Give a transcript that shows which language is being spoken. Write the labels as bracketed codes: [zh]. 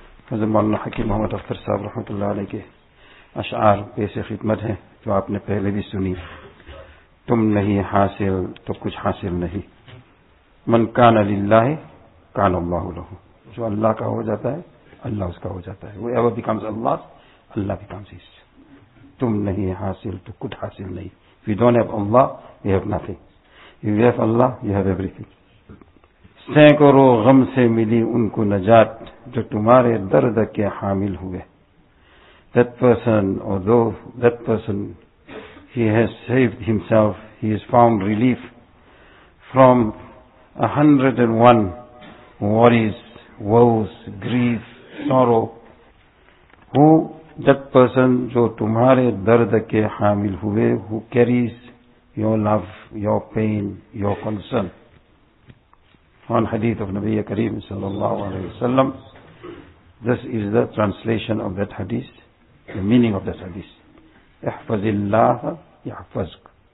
[ur] حضرت مولانا حکیم محمد اختر صاحب رحمت اللہ علیہ کے اشعار پیش خدمت ہیں جو آپ نے پہلے بھی سنی. تم نہیں حاصل تو کچھ حاصل نہیں. [ar] من کان للہ کان اللہ له. [ur] جو اللہ کا ہو جاتا ہے اللہ اس کا ہو جاتا ہے. [en] Whoever becomes Allah, Allah becomes his. تم نہیں حاصل تو کچھ حاصل نہیں. If you don't have Allah, you have nothing. If you have Allah, you have everything. [ur] سینکڑوں غم سے ملی ان کو نجات جو تمہارے درد کے حامل ہوئے. [en] That person or though that person he has saved himself, he has found relief from 101 worries, woes, grief, sorrow. Who? That person [ur] جو تمہارے درد کے حامل ہوئے. [en] Who carries your love, your pain, your concern. On hadith of Nabi Kareem sallallahu alayhi wa sallam, this is the translation of that hadith, the meaning of that hadith. [ar] احفظ اللہ يحفظك.